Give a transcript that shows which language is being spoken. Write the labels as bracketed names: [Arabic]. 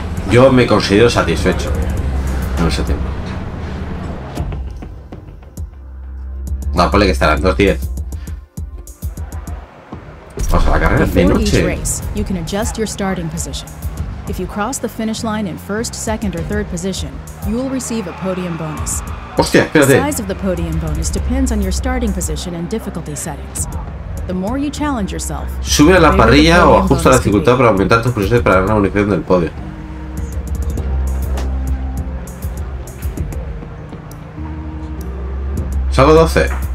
[Spanish] Yo me considero satisfecho en ese tiempo. No, ponle que estarán 2:10. Vamos a la carrera de noche. [English] You can adjust your starting position. If you cross the finish line in first, second or third position, you will receive a podium bonus. [Spanish] Hostia, espérate. [English] The size of the podium bonus depends on your starting position and difficulty settings. The more you challenge yourself, [Spanish] sube a la parrilla o ajusta la dificultad para aumentar tus posibilidades para ganar la bonificación del podio. Salgo 12.